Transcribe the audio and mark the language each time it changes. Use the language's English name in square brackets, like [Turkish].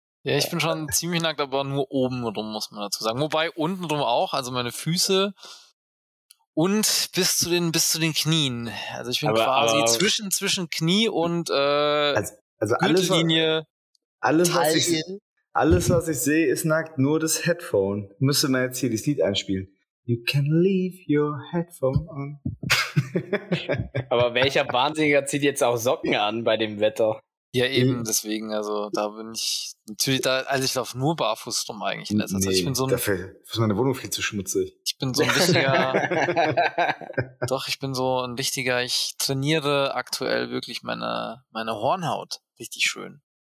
[German] Ja, ich bin schon ziemlich nackt, aber nur oben drum, muss man dazu sagen. Wobei unten drum auch, also meine Füße und bis zu den Knien. Also ich bin zwischen Knie und Gürtellinie. Alles, was ich sehe, ist nackt, nur das Headphone. Müsste man jetzt hier das Lied einspielen. [English] You can leave your headphone on. [German] Aber welcher Wahnsinniger zieht jetzt auch Socken an bei dem Wetter? Ja, eben, deswegen, also da bin ich natürlich da, also ich laufe nur barfuß rum eigentlich. Nee, also ich bin so ein, dafür ist meine Wohnung viel zu schmutzig. Ich bin so ein richtiger, ich trainiere aktuell wirklich meine Hornhaut richtig schön.